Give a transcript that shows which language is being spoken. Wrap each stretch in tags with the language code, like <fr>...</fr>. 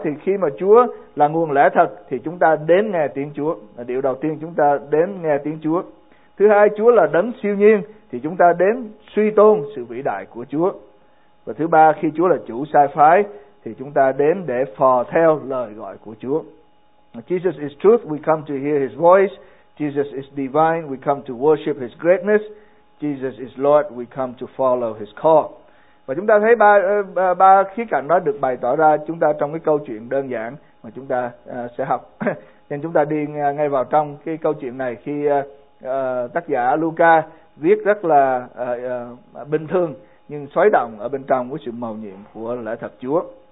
<vi>Thì khi mà Chúa là nguồn lẽ thật thì chúng ta đến nghe tiếng Chúa. Điều đầu tiên, chúng ta đến nghe tiếng Chúa. Thứ hai, Chúa là đấng siêu nhiên thì chúng ta đến suy tôn sự vĩ đại của Chúa. Và thứ ba, khi Chúa là chủ sai phái thì chúng ta đến để phò theo lời gọi của Chúa.</vi> <en>Jesus is truth, we come to hear his voice. Jesus is divine, we come to worship his greatness. Jesus is Lord, we come to follow his call.</en> <vi>Và chúng ta thấy ba khía cạnh đó được bày tỏ ra chúng ta trong cái câu chuyện đơn giản mà chúng ta sẽ học. Nên chúng ta đi ngay vào trong cái câu chuyện này, khi tác giả Luca viết rất là bình thường nhưng xoáy động ở bên trong với sự màu nhiệm của lẽ thật Chúa.</vi>